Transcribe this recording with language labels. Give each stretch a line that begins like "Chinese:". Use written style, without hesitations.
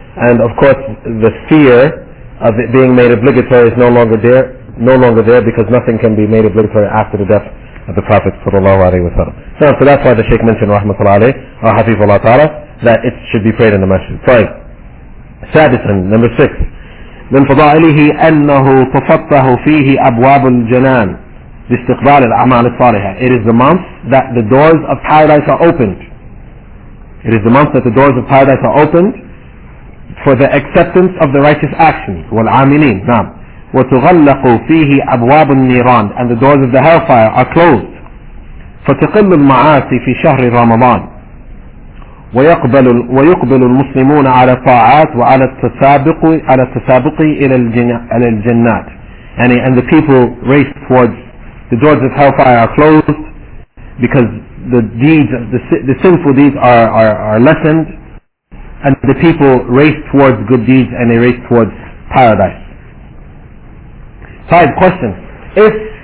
English: And of course, the fear of it being made obligatory is no longer there, because nothing can be made obligatory after the death of the Prophet sallallahu alaihi wasallam. So that's why the Shaykh mentioned rahmatullahi alayhi or hafizullah ta'ala, that it should be prayed in the masjid. Five. Sadisan, number 6.
Arabic: من فضائله أنه تفتح فيه أبواب الجنان لاستقبال الأعمال الصالحة.
English: It is the month that the doors of paradise are opened. It is the month that the doors of paradise are opened for the acceptance of the righteous actions.
Arabic: والعاملين. نعم. وتغلق فيه أبواب النيران.
English: And the doors of the hellfire are closed.
Arabic: فتقل المعاصي في شهر رمضان. ويقبل المسلمون على الطاعات وعلى التسابق إلى الجنات.
English: And the people race towards, the doors of hellfire are closed because the deeds, the sinful deeds are lessened. And the people race towards good deeds and they race towards paradise. Five questions. If